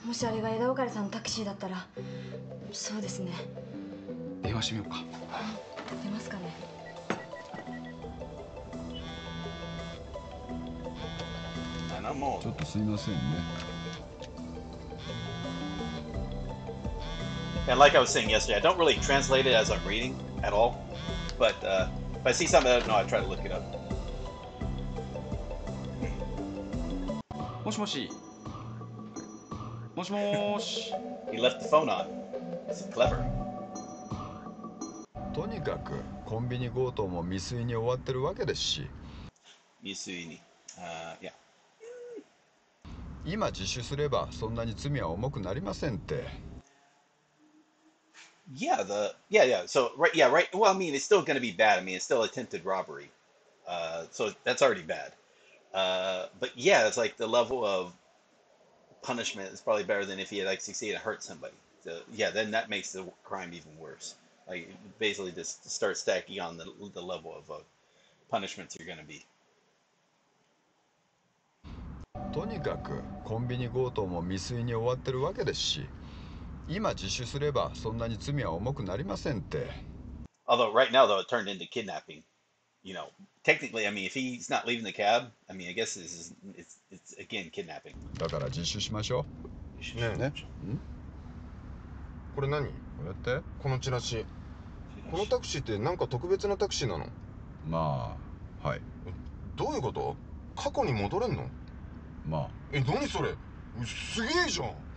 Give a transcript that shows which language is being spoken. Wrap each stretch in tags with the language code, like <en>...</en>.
<ja>もしあれが枝分さんのタクシーだったら、そうですね。電話してみようか。出ますかね。ちょっとすいませんね。</ja> <en>And like I was saying yesterday, I don't really translate it as I'm reading at all. But if I see something I don't know, I try to look it up.</en> <ja>もしもし。もしもーし。</ja> <en>He left the phone on. So clever.</en> <ja>とにかくコンビニ強盗も未遂に終わってるわけですし。未遂に。Yeah. 今自首すればそんなに罪は重くなりませんって。</ja> <en>Yeah, the yeah yeah so right yeah right well I mean it's still gonna be bad I mean it's still attempted robbery, so that's already bad, but yeah it's like the level of punishment is probably better than if he had like succeeded to hurt somebody. So yeah, then that makes the crime even worse. Like basically just start stacking on the level of punishments you're gonna be.</en> <ja>とにかくコンビニ強盗も未遂に終わってるわけですし、今自首すればそんなに罪は重くなりませんって。</ja> <en>Although right now though it turned into kidnapping, you know, technically I mean if he's not leaving the cab, I mean I guess this is it's again kidnapping.</en> <ja>だから自首しましょう。ねえね。これ何？こうやって？このチラシ。このタクシーってなんか特別なタクシーなの？まあはい。どういうこと？過去に戻れんの？まあ、え、何それすげえじゃん。</ja>